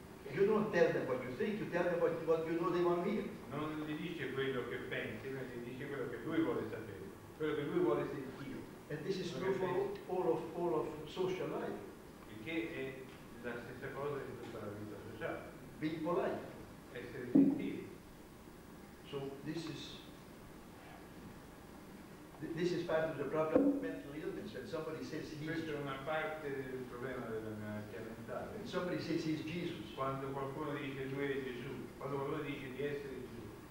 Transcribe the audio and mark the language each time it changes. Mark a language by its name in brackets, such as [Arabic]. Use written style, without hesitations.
[English] You don't tell them what you think, you tell them what you know they want me. [Italian] Non gli dice quello che pensi, ma gli dice quello che lui vuole sapere, quello che lui vuole sentire. [English] And this is true for all of social life. [Italian] Il che è la stessa cosa in tutta la vita sociale. [English] Be polite. [Italian] Essere gentili. [English] So this is part of the problem of mental illness. When somebody says he's [Italian] una parte del problema della malattia mentale. [English] When somebody says he's Jesus. [Italian] Quando qualcuno dice lui è Gesù. Quando qualcuno dice di essere Gesù.